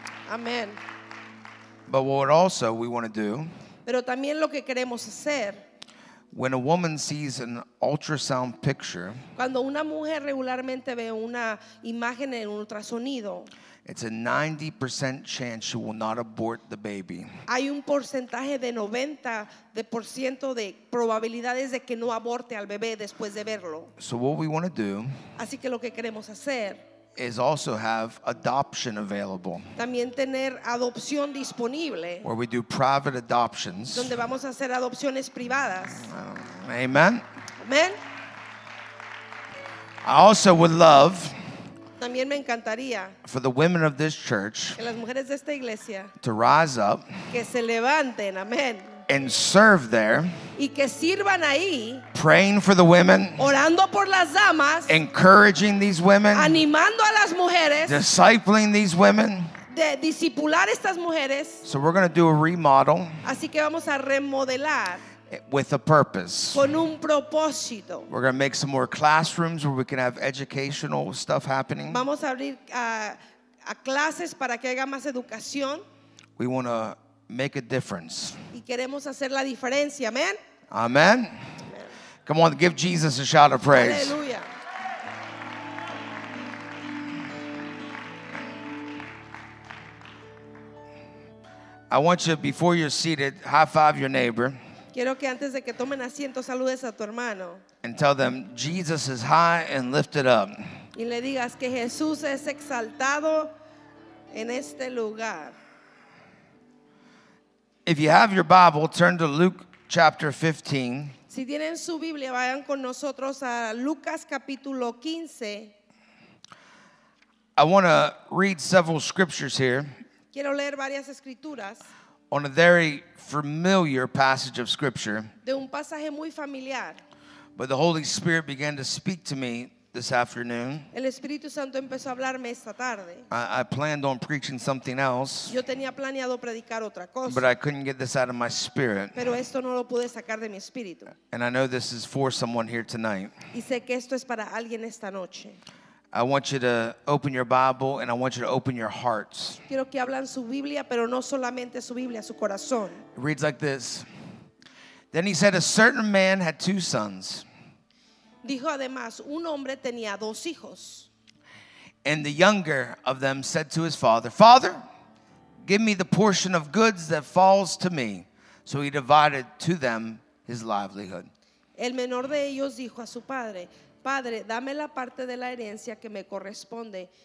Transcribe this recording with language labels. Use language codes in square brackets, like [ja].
[en] Amen. But what also we want to do. [es] Pero también lo que queremos hacer. [en] When a woman sees an ultrasound picture. [es] Cuando una mujer regularmente ve una imagen en un ultrasonido. [en] It's a 90% chance she will not abort the baby. [es] Hay un porcentaje de 90% de probabilidades de que no aborte al bebé después de verlo. [en] So what we want to do. [es] Así que lo que queremos hacer. [en] Is also have adoption available. [es] También tener adopción disponible. [en] Where we do private adoptions. [es] Donde vamos a hacer adopciones privadas. [en] Amen. Amen. I also would love. [es] También me encantaría. [en] For the women of this church. [es] Que las mujeres de esta iglesia. [en] To rise up. [es] Que se levanten. Amen. [en] And serve there. [es] Y que sirvan ahí. [en] Praying for the women. [es] Orando por las damas. [en] Encouraging these women. [es] Animando a las mujeres. [en] Discipling these women. [es] De discipular estas mujeres. [en] So we're going to do a remodel. [es] Así que vamos a remodelar. [en] With a purpose. [es] Con un propósito. [en] We're going to make some more classrooms where we can have educational stuff happening. [es] Vamos a abrir a clases para que haya más educación. [en] We want to make a difference. [es] Y queremos hacer la diferencia. Amen. [en] Amen. Come on, give Jesus a shout of praise. Hallelujah. I want you, before you're seated, high five your neighbor. [es] Quiero que antes de que tomen asiento, saludes a tu hermano. [en] And tell them, Jesus is high and lifted up. [es] Y le digas que Jesús es exaltado en este lugar. [en] If you have your Bible, turn to Luke chapter 15. [es] Si tienen su Biblia, vayan con nosotros a Lucas capítulo 15. [en] I want to read several scriptures here. [es] Quiero leer varias escrituras. [en] On a very familiar passage of scripture. [es] De un pasaje muy familiar. [en] But the Holy Spirit began to speak to me this afternoon. [es] El Espíritu Santo empezó a hablarme esta tarde. [en] I planned on preaching something else. [es] Yo tenía planeado predicar otra cosa. [en] But I couldn't get this out of my spirit. [es] Pero esto no lo pude sacar de mi espíritu. [en] And I know this is for someone here tonight. [es] Y sé que esto es para alguien esta noche. [en] I want you to open your Bible and I want you to open your hearts. [es] Quiero que hablen su Biblia, pero no solamente su Biblia, su corazón. [en] It reads like this. Then he said, a certain man had two sons. [es] Dijo además, un hombre tenía dos hijos. [en] And the younger of them said to his father, Father, give me the portion of goods that falls to me. So he divided to them his livelihood. [es] El menor de ellos dijo a su padre, Padre, dame la parte de la herencia que me corresponde.